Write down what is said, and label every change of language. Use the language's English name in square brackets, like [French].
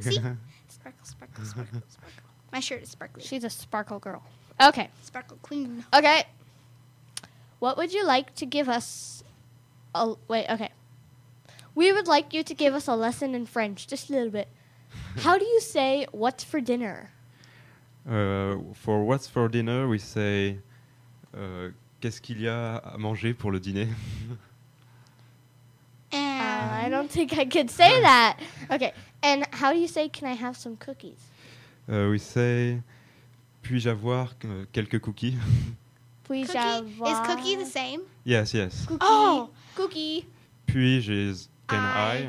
[English] See? Sparkle, sparkle, sparkle, sparkle. My shirt is sparkly. She's a sparkle girl. Okay. Sparkle queen. Okay. What would you like to give us... Okay. We would like you to give us a lesson in French, just a little bit. How do you say, what's for dinner? For what's for dinner, we say, qu'est-ce qu'il y a à manger pour le dîner? I don't think I could say that. Okay, and how do you say, can I have some cookies? [French] We say, puis-je avoir quelques cookies? Puis-je avoir... [English] Is cookie the same? Yes, yes. Cookie. Oh, cookie. Puis-je is, can I?